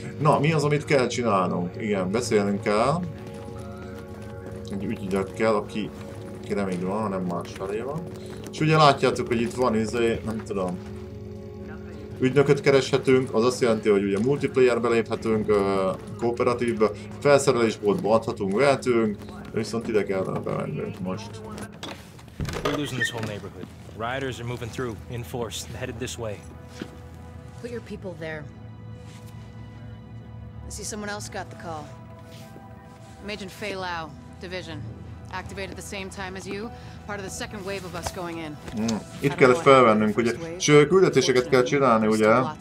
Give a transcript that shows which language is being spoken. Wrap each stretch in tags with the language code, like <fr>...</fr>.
<hu>Na, mi az, amit kell csinálnunk? Igen, beszélnünk kell. Egy ügyügyet kell, aki nem így van, hanem más felé van. És ugye látjátok, hogy itt van nem tudom. Ügynököt kereshetünk, az azt jelenti, hogy ugye multiplayerbe léphetünk, kooperatívba, felszerelésboltba adhatunk, vehetünk, viszont ide kellene bemennünk most.</hu> <en>We're losing this whole neighborhood. Riders are moving through, in force, headed this way. Put your people there. I see someone else got the call. I'm Agent Fei Lau, Division. Activated the same time as you, part of the second wave of us going in.</en> <hu>Itt kell felvennünk, ugye? És küldetéseket kell csinálni, ugye?</hu>